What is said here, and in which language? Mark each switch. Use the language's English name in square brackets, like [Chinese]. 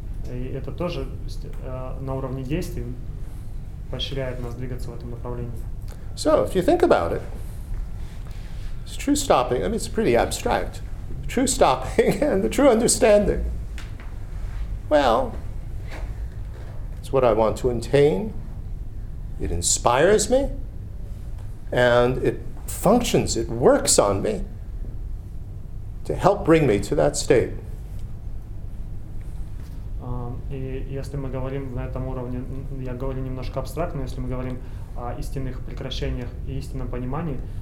[Russian] И это тоже на уровне действий поощряет нас двигаться в этом направлении. [English] So, if you think about it, it's true stopping. I mean, it's pretty abstract. True stopping and the true understanding. Well, it's what I want to attain. It inspires me. And it functions, it works on me to help bring me to that state. [Russian] И если мы говорим на этом уровне, я говорю немножко абстрактно, если мы говорим о истинных прекращениях и истинном понимании,